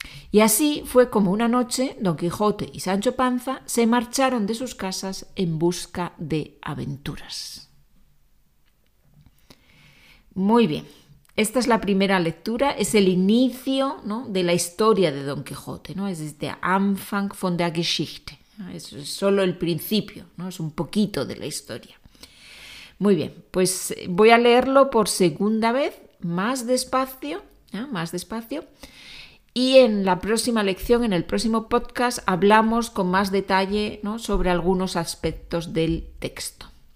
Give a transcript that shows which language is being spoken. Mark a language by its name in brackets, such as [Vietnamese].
[Spanish] Y así fue como una noche Don Quijote y Sancho Panza se marcharon de sus casas en busca de aventuras. Muy bien. Esta es la primera lectura, es el inicio, ¿no?, de la historia de Don Quijote, ¿no? [German] Es der Anfang von der Geschichte, ¿no? [Spanish] Es solo el principio, ¿no? Es un poquito de la historia. Muy bien, pues voy a leerlo por segunda vez, más despacio, ¿no? Más despacio. Y en la próxima lección, en el próximo podcast, hablamos con más detalle, ¿no?, sobre algunos aspectos del texto.